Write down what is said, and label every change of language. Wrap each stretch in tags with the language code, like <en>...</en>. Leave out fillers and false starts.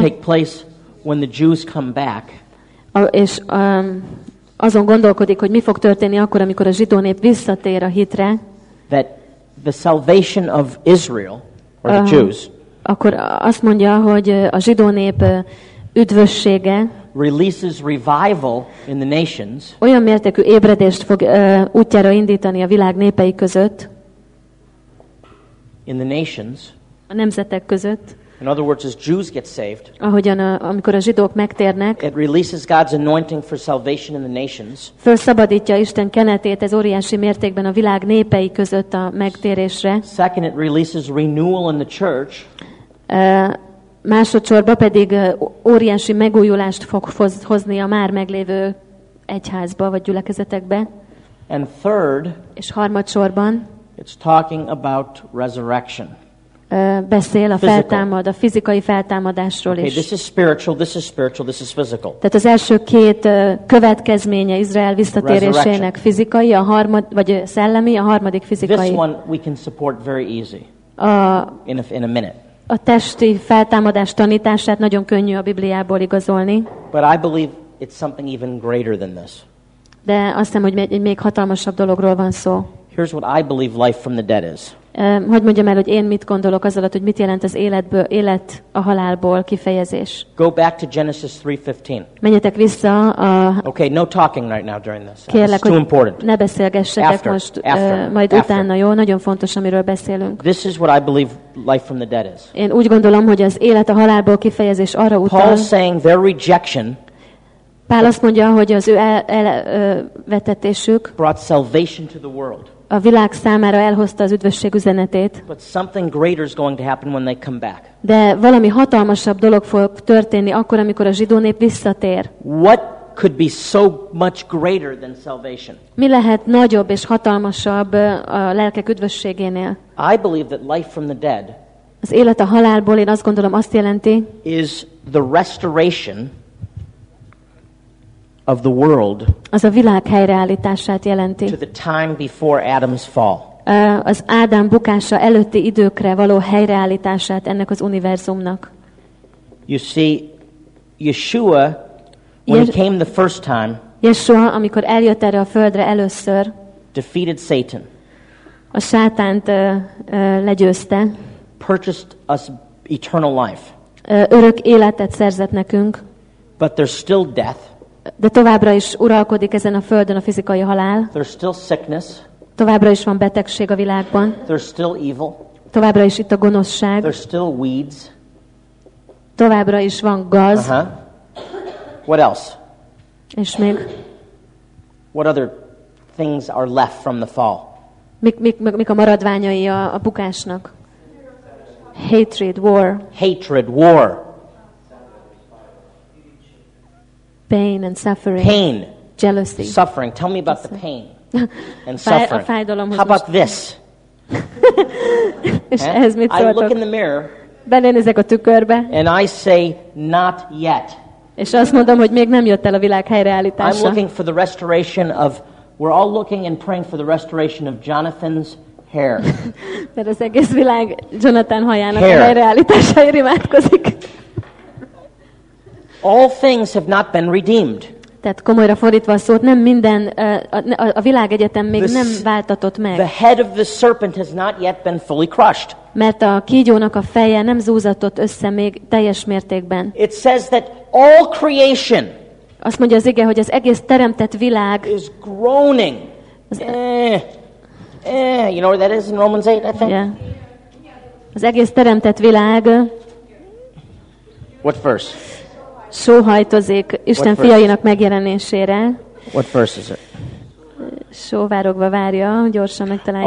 <en>will take place when the Jews come back,</en> <hu>és azon gondolkodik, hogy mi fog történni akkor, amikor a zsidó nép visszatér a hitre,</hu> <en>that the salvation of Israel or the Jews,</en> <hu>akkor azt mondja, hogy a zsidó nép üdvössége</hu> <en>releases revival in the nations,</en> <hu>olyan mértékű ébredést fog útjára indítani a világ népei között,</hu> <en>in the nations,</en> <hu>a nemzetek között.</hu> <en>In other words, as Jews get saved,</en> <hu>ahogyan amikor a zsidók megtérnek,</hu> <en>it releases God's anointing for salvation in the nations,</en> <hu>felszabadítja Isten kenetét ez óriási mértékben a világ népei között a megtérésre.</hu> <en>Second, it releases renewal in the church,</en> <hu>másodszorban pedig óriási megújulást fog hozni a már meglévő egyházba vagy gyülekezetekbe.</hu> <en>And third,</en> <hu>és harmadsorban,</hu> <en>it's talking about resurrection.</en> <hu>Beszél a feltámad, a fizikai feltámadásról is.</hu> <en>Okay, this is spiritual, this is spiritual, this is physical.</en> <hu>Tehát az első két következménye Izrael visszatérésének fizikai, a harmad vagy szellemi, a harmadik fizikai.</hu> <en>This one we can support very easy. In a minute.</en> <hu>A testi feltámadás tanítását nagyon könnyű a Bibliából igazolni.</hu> <en>But I believe it's something even greater than this.</en> <hu>De azt hiszem, hogy egy még hatalmasabb dologról van szó.</hu> <en>Here's what I believe life from the dead is.</en> <hu>Hogy mondjam el, hogy én mit gondolok az alatt, hogy mit jelent az életből, élet a halálból kifejezés.</hu> <en>Go back to Genesis 3:15.</en> <hu>Menjetek vissza a...</hu> <en>Okay, no talking right now during this.</en> <hu>Kérlek,</hu> <en>too important.</en> <hu>Ne beszélgessetek</hu> <en>after,</en> <hu>most,</hu> <en>after,</en> <hu>majd</hu> <en>after.</en> <hu>Utána, jó? Nagyon fontos, amiről beszélünk.</hu> <en>This is what I believe life from the dead is.</en> <hu>Én úgy gondolom, hogy az élet a halálból kifejezés arra utal...</hu> <en>Paul saying their rejection...</en> <hu>Pál azt mondja, hogy az ő elvetetésük...</hu> <en>Brought salvation to the world.</en> <hu>A világ számára elhozta az üdvösség üzenetét.</hu> <en>But something greater is going to happen when they come back.</en> <hu>De valami hatalmasabb dolog fog történni akkor, amikor a zsidó nép visszatér.</hu> <en>What could be so much greater than salvation?</en> <hu>Mi lehet nagyobb és hatalmasabb a lelkek üdvösségénél?</hu> <en>I believe that life from the dead,</en> <hu>az élet a halálból, én azt gondolom, azt jelenti,</hu> <en>is the restoration of the world,</en> <hu>az a világ helyreállítását jelenti,</hu> <en>to the time before Adam's fall,</en> <hu>az Ádám bukása előtti időkre való helyreállítását ennek az univerzumnak.</hu> <en>You see, Yeshua, when he came the first time,</en> <hu>Yeshua, amikor eljött erre a földre először,</hu> <en>defeated Satan,</en> <hu>a sátánt legyőzte,</hu> <en>purchased us eternal life,</en> <hu>örök életet szerzett nekünk,</hu> <en>But there's still death.</en> <hu>De továbbra is uralkodik ezen a földön a fizikai halál.</hu> <en>There's still sickness.</en> <hu>Továbbra is van betegség a világban.</hu> <en>There's still evil.</en> <hu>Továbbra is itt a gonoszság.</hu> <en>There's still weeds.</en> <hu>Továbbra is van gaz.</hu> <en>Uh-huh. What else?</en> <hu>És még?</hu> <en>What other things are left from the fall?</en> <hu>Mik a maradványai a bukásnak?</hu> <en>Hatred, war. Hatred, war. Pain and suffering. Pain. Jealousy. Suffering. Tell me about the pain and suffering. How about this? I look in the mirror.</en> <hu>Belenézek a tükörbe.</hu> <en>And I say, not yet.</en> <hu>És azt mondom, hogy még nem jött el a világ helyreállítása.</hu> <en>I'm looking for the restoration of. We're all looking and praying for the restoration of Jonathan's hair.</en> <hu>Mert az egész világ Jonathan hajának a helyreállításáért imádkozik.</hu> <en>All things have not been redeemed.</en> <hu>Tehát komolyra fordítva a szót, nem minden a világegyetem még nem váltatott meg.</hu> <en>The head of the serpent has not yet been fully crushed.</en> <hu>Mert a kígyónak a feje nem zúzatott össze még teljes mértékben.</hu> <en>It says that all creation.</en> <hu>Azt mondja az ige, hogy az egész teremtett világ</hu> <en>is groaning. You know what that is in Romans 8, I think. Yeah.</en> <hu>Az egész teremtett világ.</hu> <en>What verse?</en> <hu>Sóhajtozik Isten fiainak megjelenésére.</hu> <en>What verse is it?</en> <hu>Sóvárogva várja, gyorsan megtalálja.</hu>